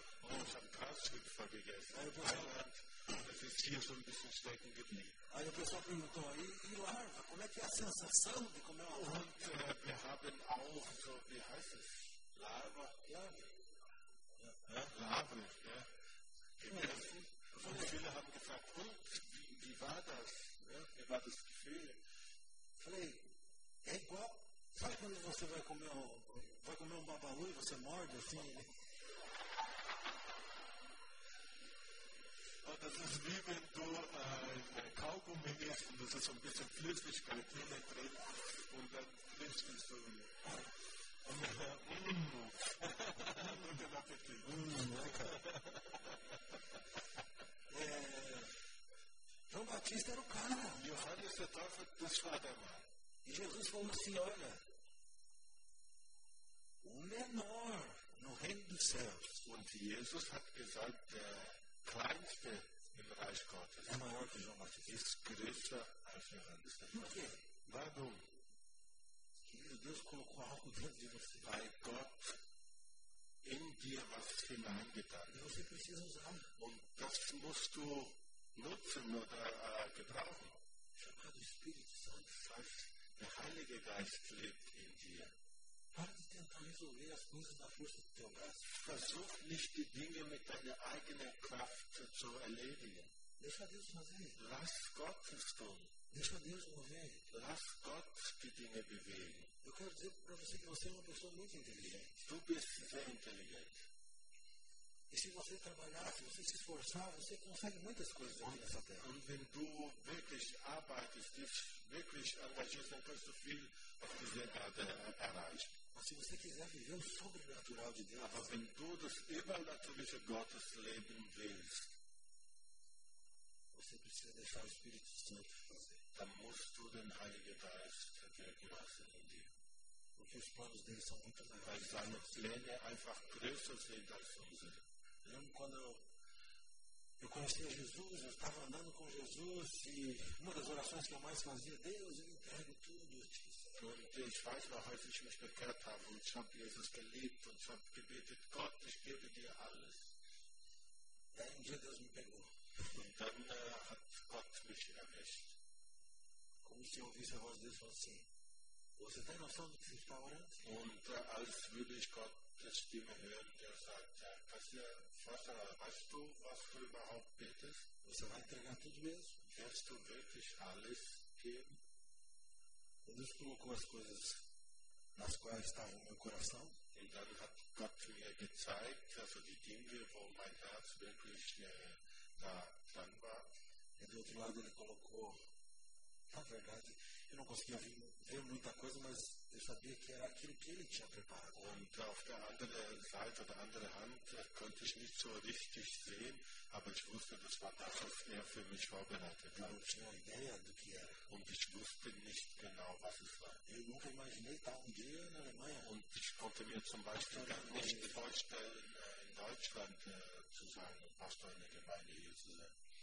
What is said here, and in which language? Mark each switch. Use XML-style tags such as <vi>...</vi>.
<de>Oh, ich habe Grashüpfer gegessen.</de> <pt>Aí,</pt> <de>Thailand, das ist hier so ein bisschen stecken geblieben.</de> <pt>Aí o pessoal perguntou, e larva, como é que é a sensação de comer uma larva?</pt> <de>Und wir haben auch so, wie heißt es?</de> <pt>Larva? Larva.</pt> <de>Ja. Larva, ja. Gegessen. Und viele haben gefragt, und wie war das? Ja, wie war das Gefühl?</de> <pt>Falei, é igual. Sabe quando você vai comer um babalu e você morde assim?</pt> <de>Oh, das ist wie wenn du Kaugummi isst und es ist so ein bisschen Flüssigkeit innen drin und dann frisst es so. Und guten Appetit. Lecker.</de> <pt>João Batista era o cara.</pt> <de>Johannes der Täufer, das war der Mann.</de> <pt>E Jesus falou assim, olha, o menor no reino dos céus.</pt> <de>Und Jesus hat gesagt, der Kleinste im Reich Gottes.</de> <pt>É maior que João Batista.</pt> <de>Ist größer als Johannes der Täufer.</de> <pt>Por quê?</pt> <de>Warum?</de> <pt>Querido, Deus colocou algo dentro de você.</pt> <de>Weil Gott in dir was hineingetan.</de> <pt>E você precisa usar.</pt> <de>Und das musst du nutzen oder gebrauchen.</de> <pt>Chamado Espírito Santo.</pt> <de>Das heißt, der Heilige Geist lebt in dir.</de> <pt>Para de tentar resolver as coisas na força do teu braço.</pt> <de>Versuch nicht die Dinge mit deiner eigenen Kraft zu erledigen.</de> <pt>Deixa Deus fazer.</pt> <de>Lass Gott es tun.</de> <pt>Deixa Deus mover.</pt> <de>Lass Gott die Dinge bewegen.</de> <pt>Eu quero dizer para você que você é uma pessoa muito inteligente.</pt> <de>Du bist sehr intelligent.</de> <pt>E se você trabalhar, se você se esforçar, você consegue muitas coisas aqui nessa terra.</pt> <de>Und wenn du wirklich arbeitest, dich wirklich engagierst, dann kannst du viel auf dieser Erde erreichen.</de> <pt>Mas se você quiser viver o sobrenatural de Deus.</pt> <de>Aber wenn du das übernatürliche Gottes leben willst.</de> <pt>deixar o Espírito Santo fazer.</pt> <de>Da musst du den Heiligen Geist wirken lassen in dir.</de> <pt>Porque os planos dele são muito maiores.</pt> <de>Weil seine Pläne einfach größer sind als unsere.</de> <pt>Eu lembro quando eu conheci Jesus, eu estava andando com Jesus e uma das orações que eu mais fazia, Deus, eu entrego tudo.</pt> <de>Und ich weiß noch, als ich mich bekehrt habe und ich habe Jesus geliebt und ich habe gebetet, Gott, ich gebe dir alles. Und</de> <pt>Jesus me pegou.</pt> <de>Und dann hat Gott mich erwischt.</de> <pt>Como se eu ouvisse a voz de Deus falando assim, você tem noção do que você está orando?</pt> <de>Und als würde ich Gottes Stimme hören, der sagt, Pastor, Vater, weißt du, was du überhaupt betest?</de> <pt>Você vai entregar tudo mesmo?</pt> <de>Wirst du wirklich alles geben?</de> <pt>Deus colocou as coisas nas quais estava o meu coração. E então,</pt> <de>hat Gott mir gezeigt, also die Dinge, wo mein Herz wirklich da dran war.</de> <pt>E do outro lado, ele colocou. Na verdade, eu não conseguia ver muita coisa, mas eu sabia que era aquilo que ele tinha preparado.</pt> <de>Und auf der anderen Seite, der anderen Hand, konnte ich nicht so richtig sehen, aber ich wusste, das war das, was er für mich vorbereitet hat.</de> <pt>Eu não tinha ideia do que era.</pt> <de>Und ich wusste nicht genau, was es war.</de> <pt>Eu nunca imaginei estar dia na Alemanha.</pt> <de>Und ich konnte mir zum Beispiel gar nicht vorstellen, in Deutschland zu sein und Pastor in der Gemeinde hier zu sein.</de>